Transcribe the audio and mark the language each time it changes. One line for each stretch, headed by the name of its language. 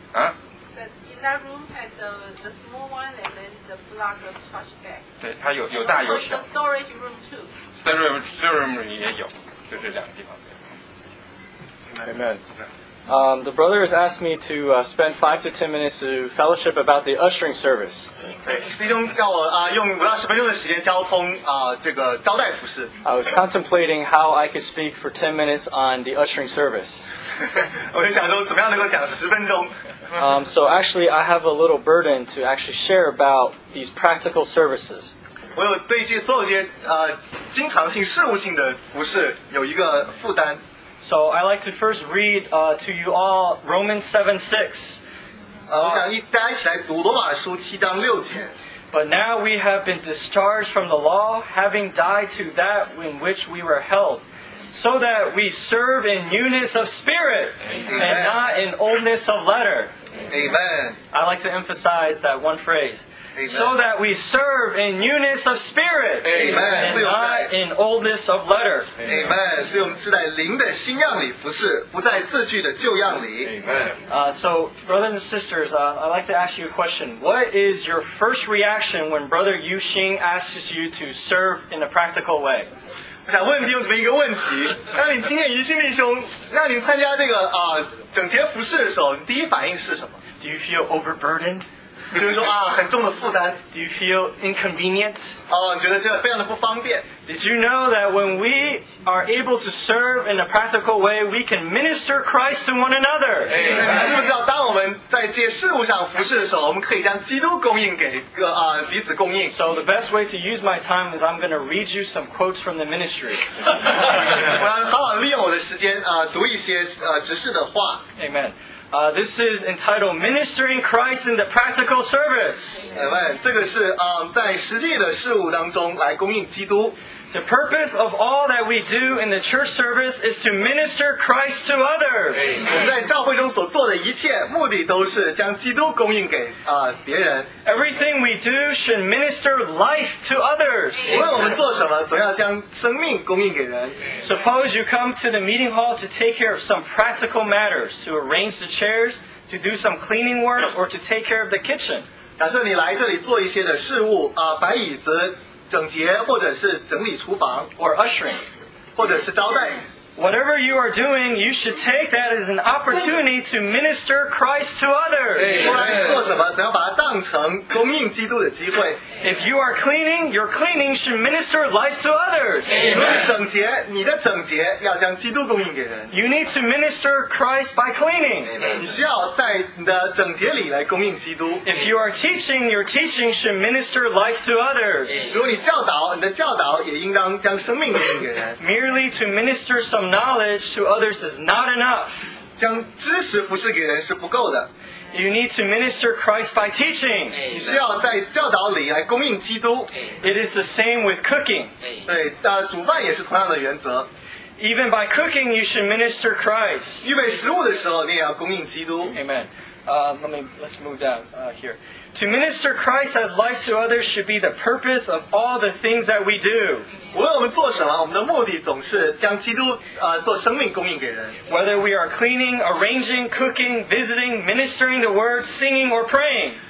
English: In that room has the small one and then the block of trash bag.
Chinese: 对，它有大有小。
English: The storage room too. Storage room
Chinese: 也有，就是两个地方。
English: Amen. The brothers asked me to spend 5 to 10 minutes to fellowship about the ushering service.
Chinese: 弟兄叫我用五到十分钟的时间交通这个招待服事。
English: I was contemplating how I could speak for 10 minutes on the ushering service.
Chinese: 我就想说怎么样能够讲十分钟。
English: So actually, I have a little burden to actually share about these practical services.
Chinese: 我有对这所有些经常性事务性的服事有一个负担。
English: So I'd like to first read to you all Romans 7:6.
Chinese: 大家一起来读罗马书七章六节。
English: But now we have been discharged from the law, having died to that in which we were held, so that we serve in newness of spirit, and not in oldness of letter. Amen. I'd like to emphasize that one phrase. Amen. So that we serve in newness of spirit, Amen. And not in oldness of letter. Amen.
Chinese: 所以我们是在灵的新样里服事，不在字句的旧样里。
English: Amen. So, brothers and sisters, I'd like to ask you a question. What is your first reaction when Brother Yu Xing asks you to serve in a practical way?
Chinese: 我想问弟兄姊妹一个问题：当你听见于兴弟兄让你参加这个整洁服事的时候，你第一反应是什么
English: ？Do you feel overburdened？
Chinese: 比如说很重的负担。
English: Do you feel inconvenient?
Chinese: 你觉得这非常的不方便。
English: Did you know that when we are able to serve in a practical way, we can minister Christ to one another?
Chinese: 你知不知道，当我们在这些事物上服事的时候，我们可以将基督供应给彼此供应。
English: So the best way to use my time is I'm going to read you some quotes from the ministry.
Chinese: 我要好好利用我的时间读一些执事的话。
English: Amen. This is entitled Ministering Christ in the Practical Service. Amen.
Chinese: 这个是在实际的事物当中来供应基督。
English: The purpose of all that we do in the church service is to minister Christ to others.
Chinese: 我们在教会中所做的一切目的都是将基督供应给别人。
English: Everything we do should minister life to others.
Chinese: 无论我们做什么，总要将生命供应给人。
English: Suppose you come to the meeting hall to take care of some practical matters, to arrange the chairs, to do some cleaning work, or to take care of the kitchen.
Chinese: 假设你来这里做一些的事物摆椅子整洁或者是整理厨房
English: or ushering
Chinese: 或者是招待
English: whatever you are doing you should take that as an opportunity to minister Christ to others
Chinese: 不管你做什么只要把它当成供应基督的机会
English: if you are cleaning your cleaning should minister life to others
Chinese: 整洁你的整洁要将基督供应给人
English: you need to minister Christ by cleaning
Chinese: 你需要在你的整洁里来供应基督
English: if you are teaching your teaching should minister life to others
Chinese: 如果你教导你的教导也应当将生命供应给人
English: merely to minister some knowledge to others is not enough
Chinese: 将知识服事给人是不够的
English: you need to minister Christ by teaching
Chinese: 你需要在教导里来供应基督
English: it is the same with cooking
Chinese: 对煮饭也是同样的原则
English: even by cooking you should minister Christ
Chinese: 预备食物的时候你也要供应基督
English: amen Let's move down here. To minister Christ as life to others should be the purpose of all the things that we do.
Chinese: 无论我们做什么，我们的目的总是将基督做生命供应给人。
English: Whether we are cleaning, arranging, cooking, visiting, ministering the word, singing, or praying.